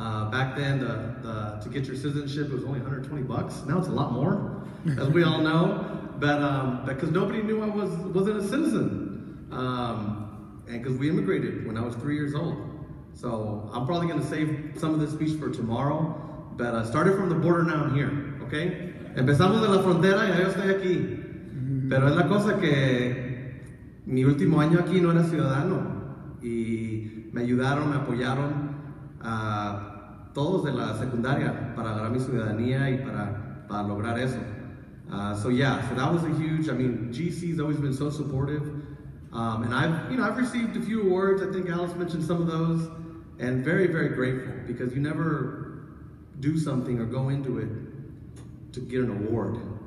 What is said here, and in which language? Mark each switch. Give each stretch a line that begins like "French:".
English: Back then, the to get your citizenship was only $120. Now it's a lot more, as we all know, but because nobody knew I wasn't a citizen, and because we immigrated when I was 3 years old. So I'm probably gonna save some of this speech for tomorrow, but I started from the border, now I'm here, okay?
Spanish: Empezamos de la frontera y yo estoy aquí. Pero es la cosa que mi último año aquí no era ciudadano. Y me ayudaron, me apoyaron a todos de la secundaria para agarrar mi ciudadanía y para lograr eso.
English: So that was a huge, GC's always been so supportive. And I've received a few awards. I think Alice mentioned some of those, and very, very grateful, because you never do something or go into it to get an award.